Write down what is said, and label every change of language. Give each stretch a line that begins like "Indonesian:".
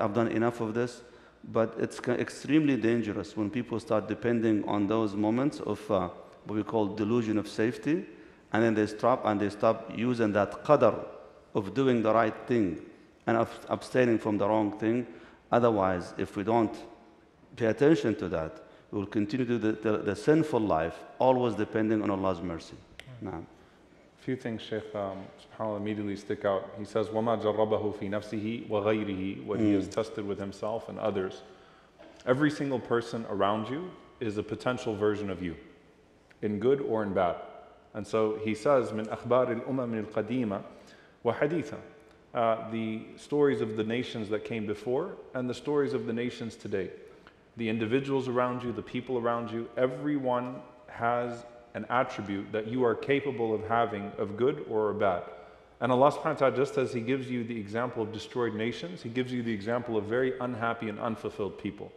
English: I've done enough of this. But it's extremely dangerous when people start depending on those moments of what we call delusion of safety, and then they stop using that qadr of doing the right thing and of abstaining from the wrong thing. Otherwise, if we don't pay attention to that, we will continue to do the sinful life, always depending on Allah's mercy. Mm-hmm. A few things, Shaykh, subhanAllah, immediately stick out. He says,
Arabic: وَمَا جَرَّبَهُ فِي نَفْسِهِ وَغَيْرِهِ.
English: What he has tested with himself and others. Every single person around you is a potential version of you, in good or in bad. And so he says,
Arabic: مِنْ أَخْبَارِ الْأُمَمِ الْقَدِيمَةِ وَحَدِيثًا.
English: The stories of the nations that came before and the stories of the nations today. The individuals around you, the people around you, everyone has an attribute that you are capable of having of good or bad. And Allah subhanahu wa ta'ala, just as He gives you the example of destroyed nations, He gives you the example of very unhappy and unfulfilled people.